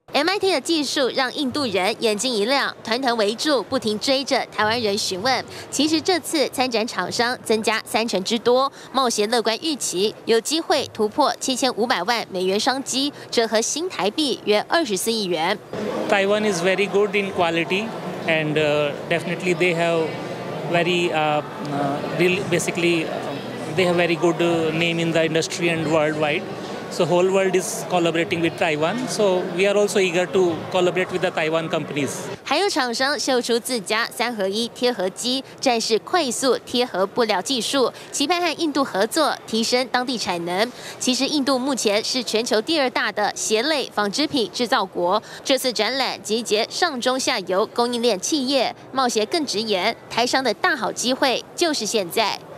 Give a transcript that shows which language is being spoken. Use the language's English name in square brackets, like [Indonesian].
[Chinese] MIT 的技术让印度人眼睛一亮，团团围住，不停追着台湾人询问。其实这次参展厂商增加30%之多，茂协乐观预期有机会突破7500万美元商机，折合新台币约24亿元。 [English] Taiwan is very good in quality, and definitely they have very basically they have very good name in the industry and worldwide. So whole world is collaborating with Taiwan. So we are also eager to collaborate with the Taiwan companies. [Chinese] 还有厂商秀出自家3-in-1贴合机，展示快速贴合布料技术，期盼和印度合作，提升当地产能。其实印度目前是全球第二大的鞋类纺织品制造国。这次展览集结上中下游供应链企业，茂协更直言，台商的大好机会就是现在。